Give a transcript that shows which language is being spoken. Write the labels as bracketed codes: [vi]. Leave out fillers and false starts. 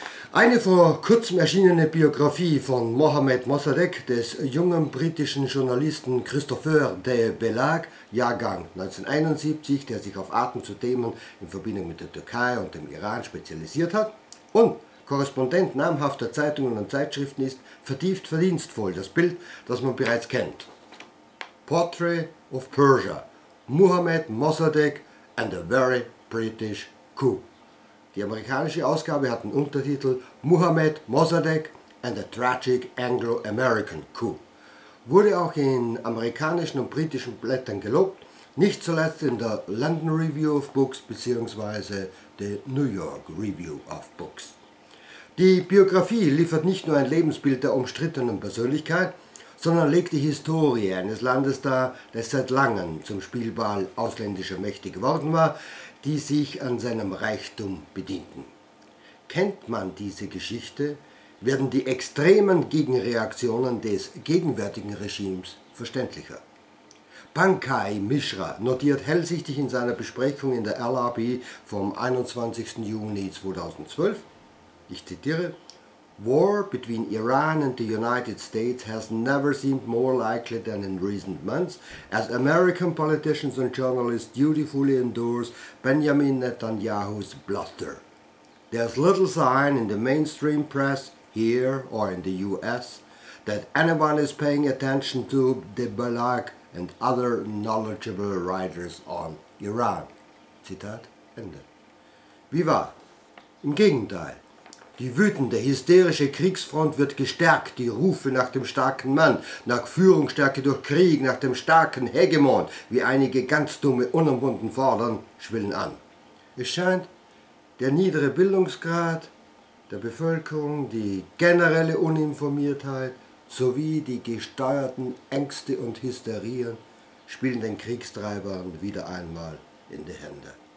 [de] Eine vor kurzem erschienene Biografie von Mohamed Mossadegh, des jungen britischen Journalisten Christopher de Belag, Jahrgang 1971, der sich auf Arten zu Themen in Verbindung mit der Türkei und dem Iran spezialisiert hat, und Korrespondent namhafter Zeitungen und Zeitschriften ist, vertieft verdienstvoll das Bild, das man bereits kennt. [en] Portrait of Persia, Mohamed Mossadegh and a very British coup. [de] Die amerikanische Ausgabe hat den Untertitel [en] Mohamed Mossadegh and the Tragic Anglo-American Coup. [de] Wurde auch in amerikanischen und britischen Blättern gelobt, nicht zuletzt in der London Review of Books bzw. der New York Review of Books. Die Biografie liefert nicht nur ein Lebensbild der umstrittenen Persönlichkeit, sondern legt die Historie eines Landes dar, das seit langem zum Spielball ausländischer Mächte geworden war, die sich an seinem Reichtum bedienten. Kennt man diese Geschichte, werden die extremen Gegenreaktionen des gegenwärtigen Regimes verständlicher. Pankaj Mishra notiert hellsichtig in seiner Besprechung in der LRB vom 21. Juni 2012, ich zitiere, [en] "War between Iran and the United States has never seemed more likely than in recent months, as American politicians and journalists dutifully endorse Benjamin Netanyahu's bluster. There's little sign in the mainstream press, here or in the US, that anyone is paying attention to de Belag and other knowledgeable writers on Iran." [de] Zitat Ende. Wie war? Im Gegenteil. Die wütende, hysterische Kriegsfront wird gestärkt, die Rufe nach dem starken Mann, nach Führungsstärke durch Krieg, nach dem starken Hegemon, wie einige ganz dumme Unumwunden fordern, schwillen an. Es scheint, der niedere Bildungsgrad der Bevölkerung, die generelle Uninformiertheit sowie die gesteuerten Ängste und Hysterien spielen den Kriegstreibern wieder einmal in die Hände.